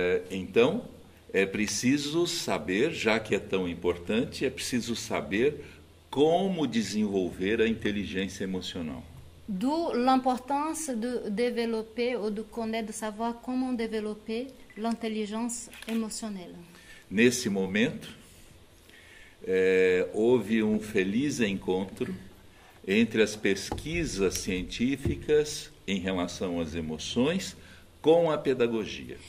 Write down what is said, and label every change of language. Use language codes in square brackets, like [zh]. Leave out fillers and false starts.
[pt] Então, é preciso saber, já que é tão importante, é preciso saber como desenvolver a inteligência emocional. [fr] D'où l'importance de développer ou de connaître, de savoir comment développer l'intelligence émotionnelle. [pt] Nesse momento, houve um feliz encontro entre as pesquisas científicas em relação às emoções com a pedagogia.